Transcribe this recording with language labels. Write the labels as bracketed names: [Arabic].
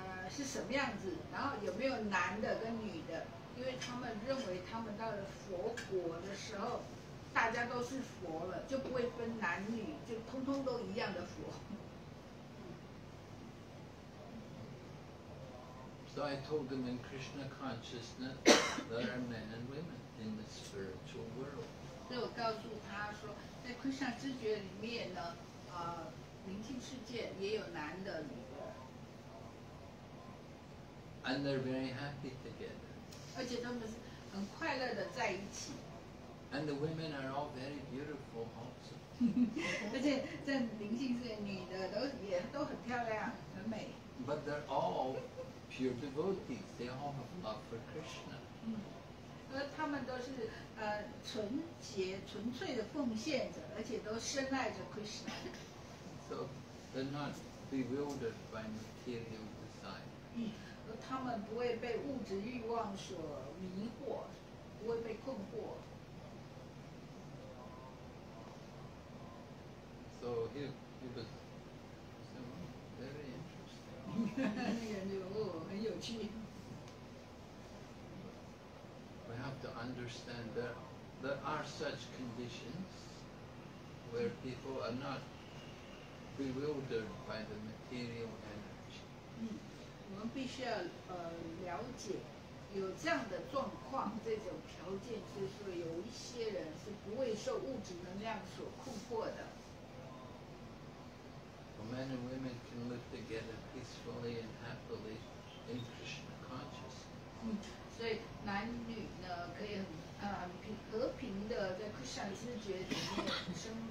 [Chinese] 是什么样子？然后有没有男的跟女的？因为他们认为他们到了佛国的时候，大家都是佛了，就不会分男女，就通通都一样的佛。So [English] I told them in Krishna consciousness there are men and women in the spiritual world. [Chinese] 所以我告诉他说，在Krishna 知觉里面呢，宁静世界也有男的女的。 [English] And they're very happy together. [Chinese] 而且他们很快乐的在一起。 [English] And the women are all very beautiful also. [Chinese] 而且在宁静世界，女的都很漂亮，很美。 [English] But they're all pure devotees. They all have love for Krishna. [Chinese] 而他们都是纯洁纯粹的奉献者，而且都深爱着 Krishna. [English] So they're not bewildered by material desire. [Chinese] 而他们不会被物质欲望所迷惑，不会被困惑。 [English] So he was very interesting. We have to understand that there are such conditions where people are not bewildered by the material energy. [Chinese] 我们必须要了解有这样的状况，这种条件就是有一些人是不会受物质能量所困惑的。 [English] Men and women can live together peacefully and happily in Krishna consciousness.